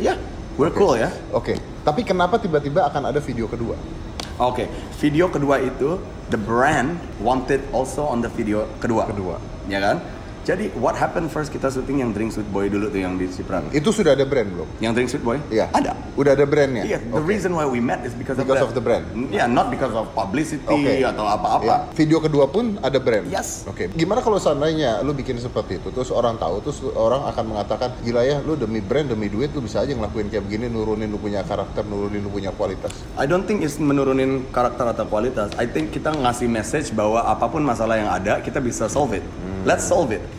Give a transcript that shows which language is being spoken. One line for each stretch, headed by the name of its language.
English: Yeah, we're cool ya.
Indonesian: Okay. Tapi kenapa tiba-tiba akan ada video kedua?
English: Okay,
Indonesian: video kedua itu
English: the brand wanted also on the video
Indonesian: kedua. Kedua. Ya kan? Jadi
English: what happened first,
Indonesian: kita syuting yang Drinks with Boy dulu tuh yang di Cipran. Itu sudah ada brand belum? Yang Drinks with Boy? Iya. Yeah. Ada. Udah ada brandnya. Iya.
English: Yeah, the reason why we met is because of the brand. Iya, yeah, not because of publicity
Indonesian: atau apa-apa.
English: Yeah.
Indonesian: Video kedua pun ada brand.
English: Yes.
Indonesian: Oke. Okay. Gimana kalau seandainya lu bikin seperti itu, terus orang tahu, terus orang akan mengatakan, gila ya, lu demi brand, demi duit, lu bisa aja ngelakuin kayak begini, nurunin lu punya karakter, nurunin lu punya kualitas.
English: I don't think it's
Indonesian: menurunin karakter atau kualitas.
English: I think
Indonesian: kita ngasih message bahwa apapun masalah yang ada, kita bisa
English: solve it. Let's solve it.